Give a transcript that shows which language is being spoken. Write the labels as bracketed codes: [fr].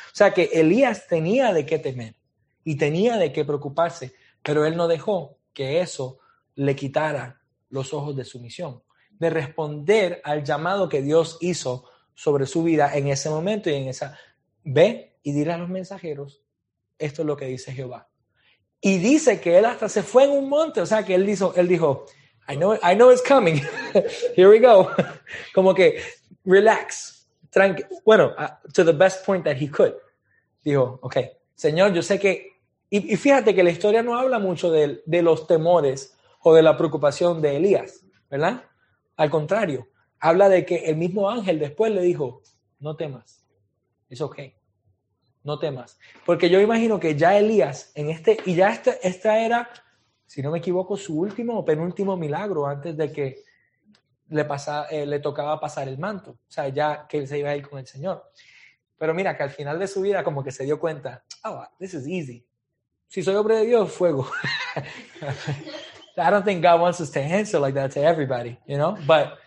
[es] O sea que Elías tenía de qué temer y tenía de qué preocuparse, pero él no dejó que eso le quitara los ojos de su misión, de responder al llamado que Dios hizo sobre su vida en ese momento y en esa. Ve y dile a los mensajeros, esto es lo que dice Jehová. Y dice que él hasta se fue en un monte, o sea que él dijo, [en] I know it's coming, here we go. [es] Como que, relax, tranqui. [en] Bueno, to the best point that he could. [es] Dijo, okay, Señor, yo sé que, y fíjate que la historia no habla mucho de los temores o de la preocupación de Elías, ¿verdad? Al contrario. Habla de que el mismo ángel después le dijo, no temas, es okay, no temas. Porque yo imagino que ya Elías, en este, y ya esta era, si no me equivoco, su último o penúltimo milagro antes de que le tocaba pasar el manto. O sea, ya que él se iba a ir con el Señor. Pero mira, que al final de su vida como que se dio cuenta, [en] oh, this is easy. [es] Si soy hombre de Dios, fuego. [en] I don't think God wants us to answer like that to everybody, you know, but...